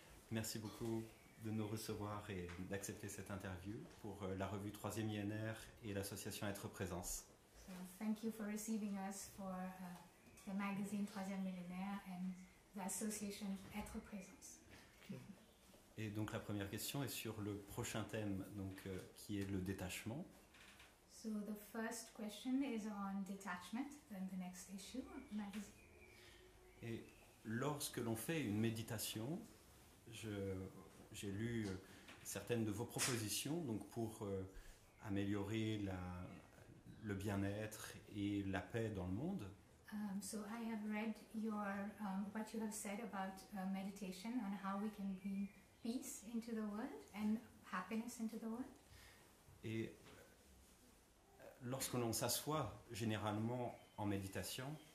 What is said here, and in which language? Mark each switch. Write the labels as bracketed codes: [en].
[fr] Merci beaucoup de nous recevoir et d'accepter cette interview pour la revue 3e INR et l'association Être Présence. [en] So thank you for receiving us for the magazine 3e millénaire and the association Être Présence. [fr] Et donc la première question est sur le prochain thème, donc qui est le détachement. [en] So the first question is on detachment, then the next issue of the magazine. [fr] Et lorsque l'on fait une méditation, j'ai lu certaines de vos propositions donc pour améliorer le bien-être et la paix dans le monde. [en] So I have read your what you have said about meditation on how we can bring peace into the world and happiness into the world. [fr] Et lorsque l'on s'assoit généralement en méditation,